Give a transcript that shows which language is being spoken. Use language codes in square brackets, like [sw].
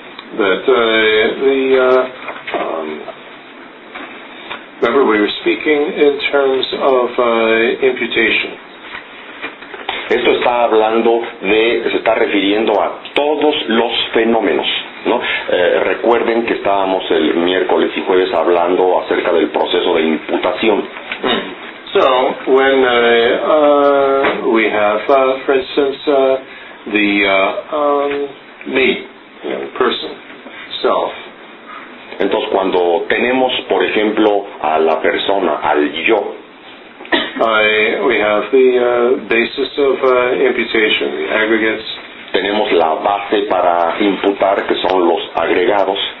[en] That remember we were speaking in terms of imputation. [es] Esto está hablando de, se está refiriendo a todos los fenómenos, ¿no? Recuerden que estábamos el miércoles y jueves hablando acerca del proceso de imputación. [en] So when we have, for instance, the me, you know, person. [es] Entonces, cuando tenemos, por ejemplo, a la persona, al yo, [en] we have the basis of imputation, the aggregates. [es] Tenemos la base para imputar, que son los agregados.